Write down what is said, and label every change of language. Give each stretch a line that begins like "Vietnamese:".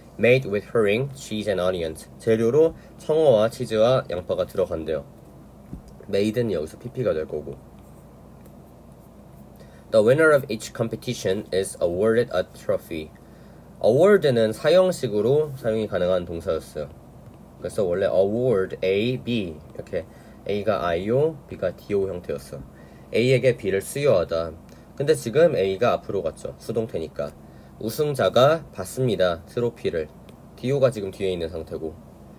English: Made with herring, cheese and onions.
Korean: 재료로 청어와 치즈와 양파가 들어간대요. Made는 여기서 PP가 될 거고.
English: The winner of each competition is awarded a trophy.
Korean: Award는 사형식으로 사용이 가능한 동사였어요. 그래서 원래 award A, B 이렇게 A가 I요, B가 D요 형태였어. A에게 B를 수여하다. 근데 지금 A가 앞으로 갔죠. 수동태니까. 우승자가 받습니다. 트로피를. D요가 지금 뒤에 있는 상태고.